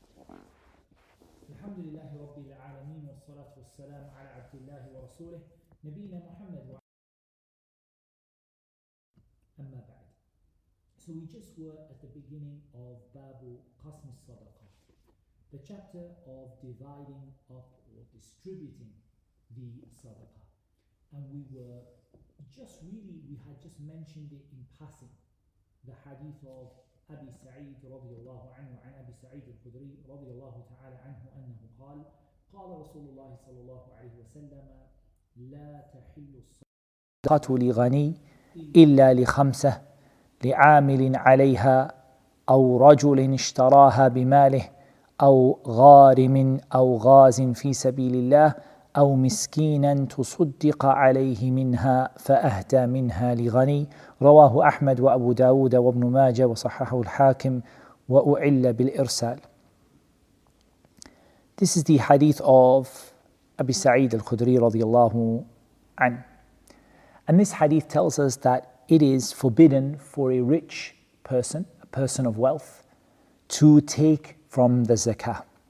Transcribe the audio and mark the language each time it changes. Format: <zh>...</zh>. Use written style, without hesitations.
<ar>الحمد لله رب العالمين والصلاة والسلام على عبد الله ورسوله نبينا محمد. أما بعد.</ar> <en>So we just were at the beginning of Babu Qasm al-Sadaqah, the chapter of dividing up or distributing the Sadaqah. And we were just really, we had just mentioned it in passing, the hadith of</en> <ar>أبي سعيد رضي الله عنه عن أبي سعيد الخدري رضي الله تعالى عنه أنه قال قال رسول الله صلى الله عليه وسلم لا تحل الصدقة لغني إلا لخمسة لعامل عليها أو رجل اشتراها بماله أو غارم أو غاز في سبيل الله أو مسكينا تصدق عليه منها فأهدى منها لغني رواه أحمد وأبو داود وابن ماجة وصححه الحاكم وأعل بالإرسال.</ar> <en>This is the hadith of Abi Sa'id al-Khudri رضي الله عنه. And this hadith tells us that it is forbidden for a rich person, a person of wealth, to take from the zakah.</en>